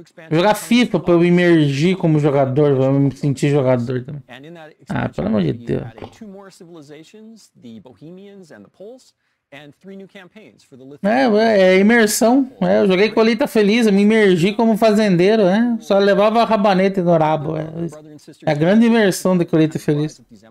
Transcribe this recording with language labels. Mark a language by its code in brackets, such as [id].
[pt] Jogar FIFA pra eu imergir como jogador, pra eu me sentir jogador também. Ah, pelo amor de Deus. [en] Two more civilizations, the Bohemians and the Poles, and three new campaigns for the Lithuanians. [pt] É imersão. É, eu joguei Colheita Feliz, eu me imergi como fazendeiro, né? Só levava a rabaneta no rabo. É a grande imersão da Colheita Feliz.